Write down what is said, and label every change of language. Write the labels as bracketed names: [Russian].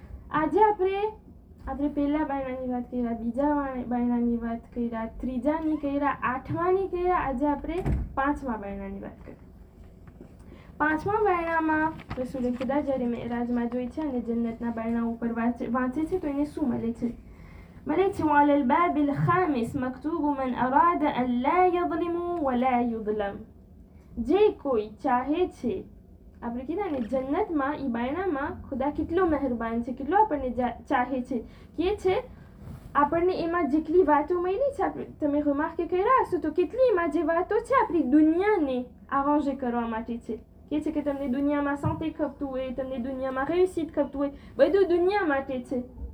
[Gujarati] આજે આપણે પહેલાં બાયણાની વાત કર્યા, બીજા બાયણાની વાત કર્યા, ત્રીજાની કર્યા, આઠમાની કર્યા, આજે આપણે પાંચમા બાયણાની વાત કરી. પાંચમા બાયણામાં રસૂલે ખુદા જ્યારે મેરાજમાં જોઈ છે અને જન્નતના બાયણા ઉપર વાંચે છે તો એને શું મળે છે? [Arabic] بلت وعلى الباب الخامس مكتوب من أراد أن لا يظلم ولا يظلم. جيكوي تشاهيتي [Gujarati] આપણે કીધા ને જન્નતમાં એ બાયણામાં ખુદા કેટલો મહેરબાન છે, કેટલો આપણને ચાહે છે, કે છે આપણને એમાં જેટલી વાતો મળી છે, તમે રિમાર્ક કર્યા હશો તો કેટલી એમાં જે વાતો છે આપણી દુનિયાને અરેન્જ કરવા માટે છે, કે છે કે તમને દુનિયામાં સંતે ખપતું હોય, તમને દુનિયામાં રેસીટ ખપતું હોય, બધું દુનિયા માટે છે.